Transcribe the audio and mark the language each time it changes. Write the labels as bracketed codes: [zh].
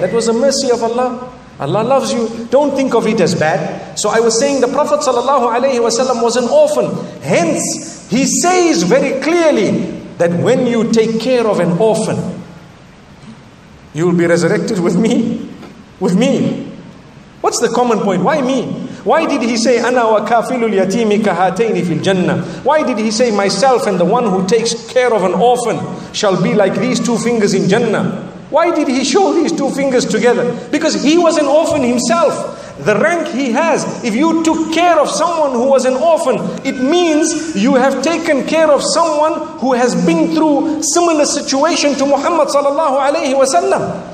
[en] That was a mercy of Allah. Allah loves you. Don't think of it as bad. So I was saying the Prophet sallallahu alaihi wasallam was an orphan. Hence, he says very clearly that when you take care of an orphan, you will be resurrected with me. With me. What's the common point? Why me? Why did he say, [ar] أَنَا وَكَافِلُ الْيَتِيمِ كَهَاتَيْنِ فِي الْجَنَّةِ? [en] Why did he say, myself and the one who takes care of an orphan shall be like these two fingers in Jannah? Why did he show these two fingers together? Because he was an orphan himself. The rank he has, if you took care of someone who was an orphan, it means you have taken care of someone who has been through similar situation to Muhammad sallallahu alaihi wasallam.